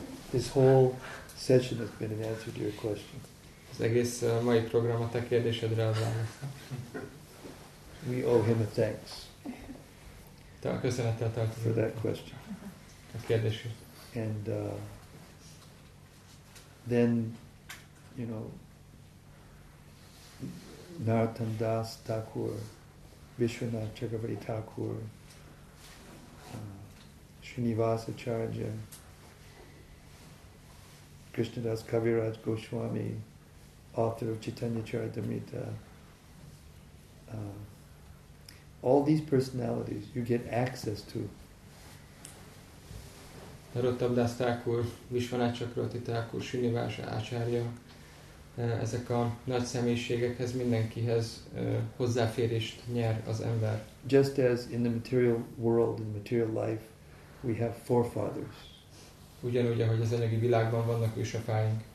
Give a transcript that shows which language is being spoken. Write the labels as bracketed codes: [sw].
[en] This whole session has been an answer to your question. [hu] Az egész mai program a te kérdésedre az válasz. [en] We owe him a thanks. [hu] Te a köszönettel tartozik. [en] For that question. [hu] A kérdésért. [en] And then, you know, Narottam Das Thakur, Vishwanath Chakravarti Thakur, Srinivasa Acharya, Krishnadas Kaviraj Goswami, author of Chaitanya Charitamrita. All these personalities you get access to. [hu] Narottam Das Thakur, Vishwanath Chakravarti Thakur, Srinivasa Acharya, ezek a nagy személyiségekhez, mindenkihez hozzáférést nyer az ember. [en] Just as in the material world, in the material life, we have forefathers. [hu] Ugyanúgy, ahogy az anyagi világban vannak ősapáink.